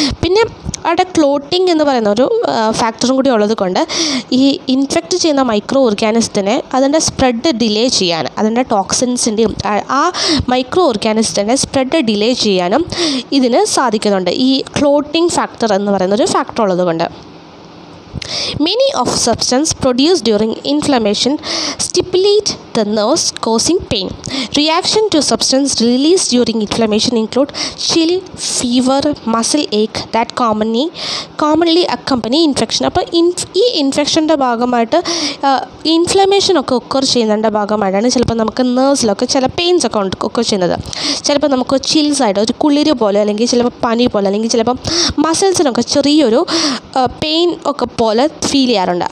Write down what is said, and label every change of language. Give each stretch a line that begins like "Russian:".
Malayalam: പിന്നെ അവിടെ ക്ലോട്ടിംഗ് എന്ന് പറയുന്ന ഒരു ഫാക്ടറും കൂടി ഉള്ളത് കൊണ്ട് ഈ ഇൻഫെക്റ്റ് ചെയ്യുന്ന മൈക്രോ ഓർഗാനിസത്തിനെ അതിൻ്റെ സ്പ്രെഡ് ഡിലേ ചെയ്യാൻ, അതിൻ്റെ ടോക്സിൻസിൻ്റെയും ആ മൈക്രോ ഓർഗാനിസത്തിൻ്റെ സ്പ്രെഡ് ഡിലേ ചെയ്യാനും ഇതിന് സാധിക്കുന്നുണ്ട്, ഈ ക്ലോട്ടിംഗ് ഫാക്ടർ എന്ന് പറയുന്ന ഒരു ഫാക്ടർ ഉള്ളത് കൊണ്ട്.
English: Many of substances produced during inflammation stimulate the nerves causing pain. Reaction to substance released during inflammation include chill, fever, muscle ache that commonly accompany infection.
Malayalam: Appa ee infection-ന്റെ ഭാഗമായിട്ട് inflammation ഒക്കെ occur ചെയ്യുന്നണ്ട ഭാഗമായിട്ടാണ് ചിലപ്പോൾ നമുക്ക് നേഴ്സിലൊക്കെ ചില pains ഒക്കെ ഉണ്ട് ഒക്കെ ചെയ്യുന്നത്. ചിലപ്പോൾ നമുക്ക് ചിൽസ് ആയിട്ട് ഒരു കുളിര് പോലെ അല്ലെങ്കിൽ ചിലപ്പോൾ പനി പോലെ അല്ലെങ്കിൽ ചിലപ്പോൾ മസിൽസിനൊക്കെ ചെറിയൊരു പെയിൻ ഒക്കെ പോലെ ഫീൽ ചെയ്യാറുണ്ട്.